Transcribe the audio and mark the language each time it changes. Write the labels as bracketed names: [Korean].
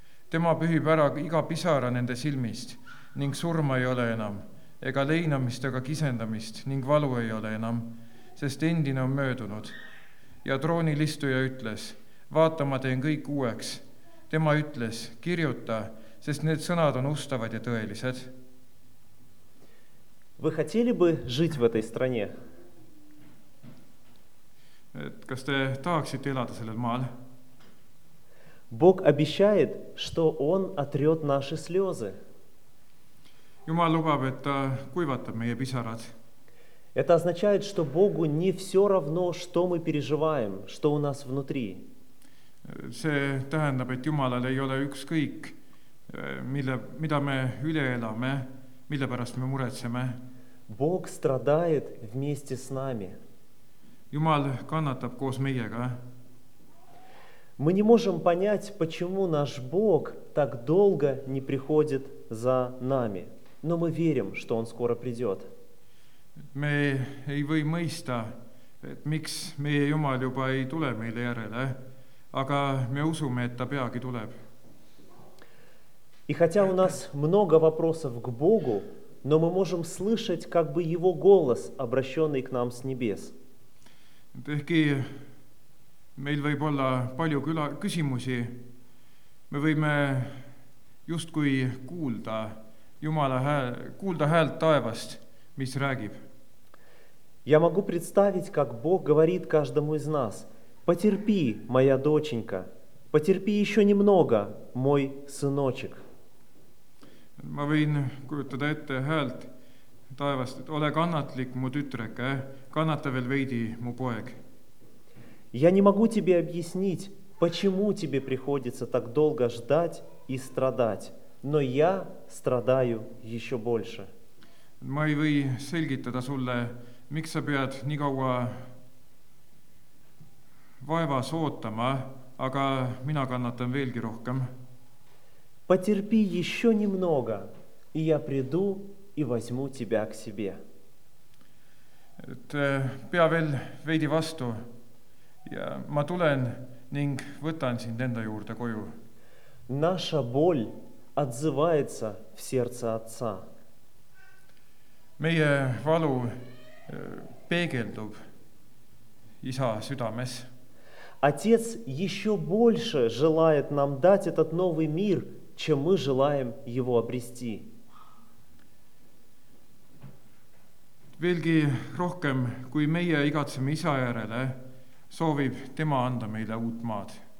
[Estonian] Tema pühib ära iga pisara nende silmist ning surma ei ole enam, ega leinamist aga kisendamist ning valu ei ole enam, sest endine on möödunud. Ja troonil istuja ütles, vaata, ma teen kõik uueks. Tema ütles, kirjuta, sest need sõnad on ustavad ja tõelised. [Russian] Вы хотели бы жить в этой стране? [Estonian] Kas te tahaksite elada sellel maal? [Russian] Бог обещает, что Он отрет наши слезы. [Estonian] Jumal lubab, et ta kuivatab meie pisarad. [Russian] Это означает, что Богу не все равно, что мы переживаем, что у нас внутри. [Estonian] See tähendab, et Jumalal ei ole ükskõik, mida me üle elame, mille pärast me muretseme. [Russian] Бог страдает вместе с нами. [Estonian] Jumal kannatab koos meiega. [Russian] Мы не можем понять, почему наш Бог так долго не приходит за нами. Но мы верим, что Он скоро придет. [Estonian] Me ei või mõista, et miks meie Jumal juba ei tule meile järele, aga me usume, et ta peagi tuleb. [Russian] И хотя у нас много вопросов к Богу, но мы можем слышать как бы его голос, обращенный к нам с небес. [Estonian] Ehkki meil võib olla palju küsimusi, me võime justkui kuulda Jumala häält taevast, mis räägib. [Russian] Я могу представить, как Бог говорит каждому из нас: "Потерпи, моя доченька, потерпи еще немного, мой сыночек". [Estonian] Ma võin kujutada ette häält taevast, et ole kannatlik, mu tütreke, kannata veel veidi, mu poeg. [Russian] Я не могу тебе объяснить, почему тебе приходится так долго ждать и страдать, но я страдаю еще больше. [Estonian] Ma ei või selgitada sulle, miks sa pead nii kaua vaevas ootama, aga mina kannatan veelgi rohkem. [Russian] Потерпи еще немного, и я приду и возьму тебя к себе. [Estonian] Pea veel veidi vastu ja ma tulen ning võtan sind enda juurde koju. [Russian] Наша боль отзывается в сердце Отца. [Estonian] Meie valu peegeldub Isa südames. [Russian] Отец еще больше желает нам дать этот новый мир, чем мы желаем его обрести. [Estonian] Veelgi rohkem, kui meie igatseme isa järele, soovib tema anda meile uut maad.